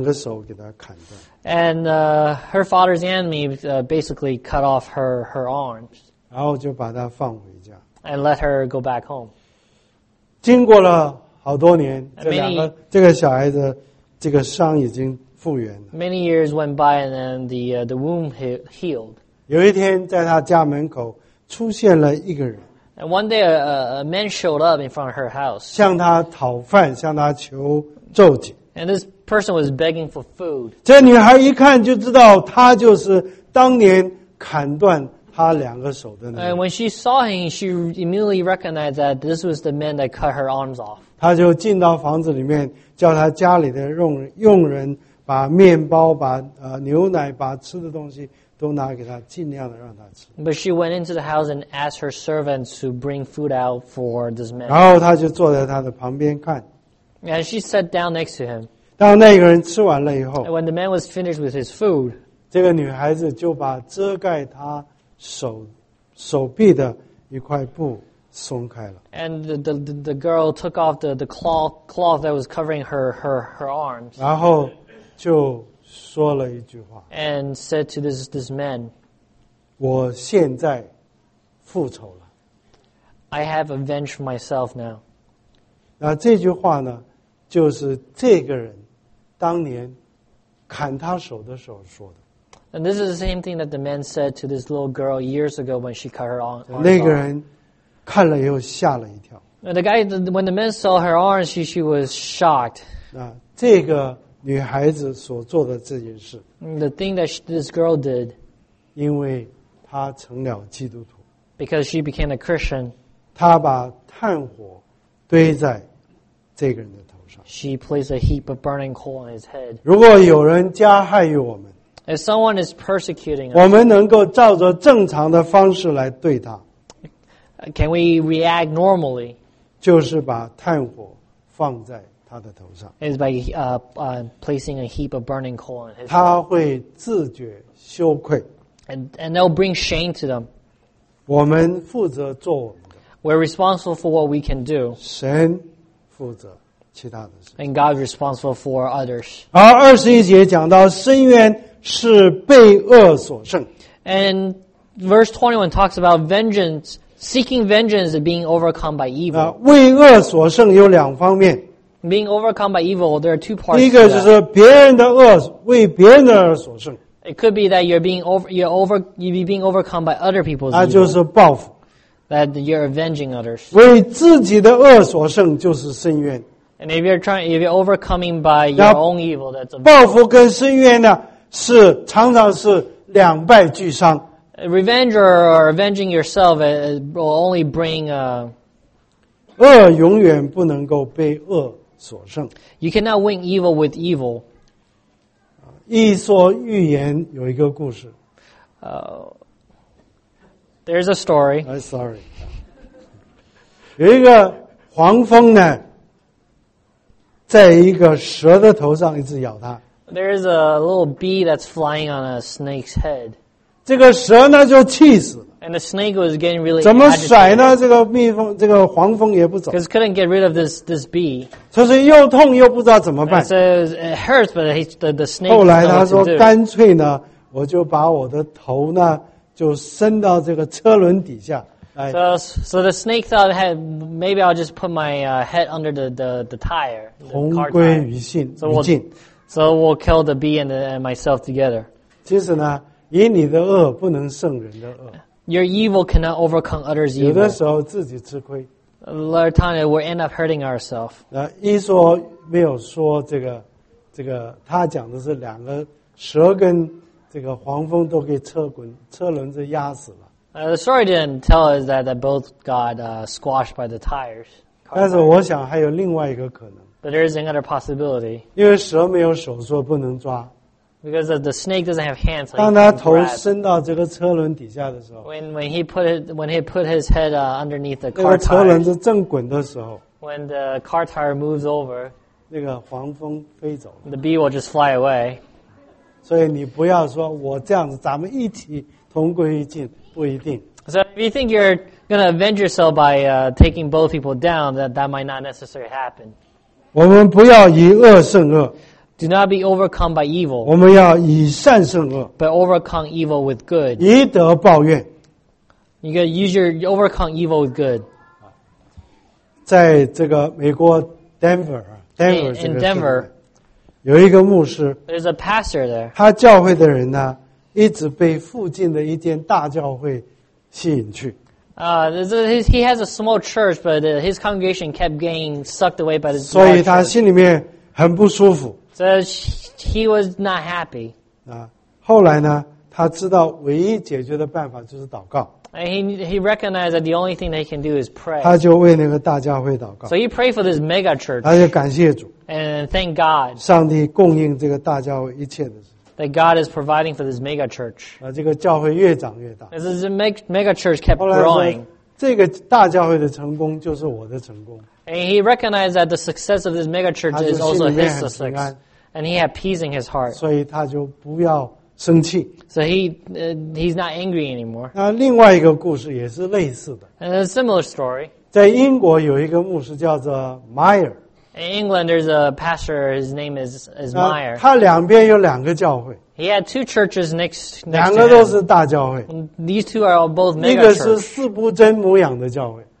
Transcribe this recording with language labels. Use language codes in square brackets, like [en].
[zh] 那这个仇敌就把这个小女孩的两个手给她砍掉。 [en] And her father's enemy basically cut off her arms. [zh] 然后就把她放回家。 [en] And let her go back home. [zh] 经过了好多年，这个小孩子。这个伤已经复原了。 [en] Many years went by and then the wound healed. [zh] 有一天在他家门口出现了一个人。 [en] And one day a man showed up in front of her house. [zh] 向他讨饭，向他求咒诅。 [en] And this person was begging for food. [zh] 这女孩一看就知道他就是当年砍断他两个手的那个。 [en] And when she saw him, she immediately recognized that this was the man that cut her arms off. [zh] 他就进到房子里面，叫他家里的佣人把面包、把牛奶、把吃的东西都拿给他，尽量的让他吃。 [en] But she went into the house and asked her servants to bring food out for this man. [zh] 然后他就坐在他的旁边看。 [en] And she sat down next to him. [zh] 当那个人吃完了以后 [en] ，And when the man was finished with his food, [zh] 这个女孩子就把遮盖他手臂的一块布松开了。 [en] And the girl took off the cloth that was covering her arms. [zh] 然后就说了一句话。 [en] And said to this man, [zh] 我现在复仇了。 [en] I have avenged myself now. [zh] 那这句话呢，就是这个人当年砍他手的时候说的。 [en] And this is the same thing that the man said to this little girl years ago when she cut her arm. [zh] 那个人看了以后吓了一跳。 [en] And the guy, when the man saw her arm, she was shocked. [zh] 那这个女孩子所做的这件事。 [en] The thing that this girl did. [zh] 因为她成了基督徒。 [en] Because she became a Christian. [zh] 她把炭火堆在这个人的头上。 [en] She placed a heap of burning coal on his head. [zh] 如果有人加害于我们。 [en] If someone is persecuting us, [zh] 我们能够照着正常的方式来对他。 [en] Can we react normally? [zh] 就是把炭火放在他的头上。 [en] It's by placing a heap of burning coal on his head. [zh] 他会自觉羞愧。 [en] And they'll bring shame to them. [zh] 我们负责做我们的。 [en] We're responsible for what we can do. [zh] 神负责其他的事。 [en] And God's responsible for others. [zh] 而二十一节讲到深渊是被恶所胜。 [en] And verse 21 talks about vengeance, seeking vengeance is being overcome by evil. [zh] 为恶所胜有两方面。 [en] Being overcome by evil, there are two parts. [zh] 第一个就是别人的恶为别人的恶所胜。 [en] It could be that you're being overcome by other people's evil. [zh] 那就是报复。 [en] That you're avenging others. [zh] 为自己的恶所胜就是深渊。 [en] And if you're overcoming by your own evil, that's a evil. [zh] 报复跟深渊呢是常常是两败俱伤。 [en] Revenge or avenging yourself will only bring a [zh] 恶永远不能够被恶所胜。 [en] You cannot win evil with evil. [zh] 伊索寓言有一个故事。 [en] There's a story. I'm sorry. [zh] 有一个黄蜂呢，在一个蛇的头上一直咬它。 [en] There is a little bee that's flying on a snake's head. 这个蛇呢就气死了。 And the snake was getting really agitated. [zh] 怎么甩呢？这个蜜蜂，这个黄蜂也不走。 [en] Because couldn't get rid of this bee. [zh] 所以又痛又不知道怎么办。 [en] So it hurts, but the snake doesn't know what to do. [zh] 后来他说：“干脆呢，我就把我的头呢，就伸到这个车轮底下。” [en] So the snake thought, "Hey, maybe I'll just put my head under the tire." [zh] 同归于尽，于尽。 [en] So we'll kill the bee and myself together. [zh] 其实呢，以你的恶不能胜人的恶。 [en] Your evil cannot overcome others' evil. [zh] 有的时候自己吃亏。 [en] A lot of times we end up hurting ourselves. [zh] 那伊索没有说这个，他讲的是两个蛇跟这个黄蜂都给车轮子压死了。 [en] The story didn't tell us that both got squashed by the tires. [zh] 但是我想还有另外一个可能。 [en] But there is another possibility. [zh] 因为蛇没有手，所以不能抓。 [en] Because the snake doesn't have hands, so [zh] 当他头伸到这个车轮底下的时候 [en] ，when he put his head underneath the car tire, [zh] 那个车轮子正滚的时候 [en] ，when the car tire moves over, [zh] 那个黄蜂飞走了 [en] ，the bee will just fly away. [zh] 所以你不要说我这样子，咱们一起同归于尽，不一定。 [en] So if you think you're going to avenge yourself by taking both people down, that might not necessarily happen. [zh] 我们不要以恶胜恶。 [en] Do not be overcome by evil. [zh] 我们要以善胜恶。 [en] But overcome evil with good. [zh] 以德报怨。 [en] You can use your overcome evil with good. [zh] 在这个美国 Denver 这个地方。 [en] In Denver. [zh] 有一个牧师 [en] There's a pastor there. [zh] 他教会的人呢一直被附近的一间大教会吸引去。 [en] He has a small church, but his congregation kept getting sucked away by the church. [zh] 所以他心里面很不舒服。 [en] So he was not happy. [zh] 后来呢他知道唯一解决的办法就是祷告。 [en] And he recognized that the only thing that he can do is pray. [zh] 他就为那个大教会祷告。 [en] So he prayed for this mega church. [zh] 他就感谢主。 [en] And thank God. [zh] 上帝供应这个大教会一切的事。 [en] That God is providing for this mega church. [zh] 这个教会越长越大。 [en] This is a mega church kept growing. [zh] 这个大教会的成功就是我的成功。 [en] And he recognized that the success of this mega church is also his success. And he had peace in his heart. [zh] 所以他就不要生气。 [en] So he's not angry anymore. [zh] 另外一个故事也是类似的。 [en] And a similar story. [zh] 在英国有一个牧师叫做 Meyer。 [en] In England, there's a pastor, his name is Meyer. [zh] 他两边有两个教会。 [en] He had two churches next to him. [zh] 两个都是大教会。 [en] These two are both mega churches. [zh] 一个是四不真牧养的教会。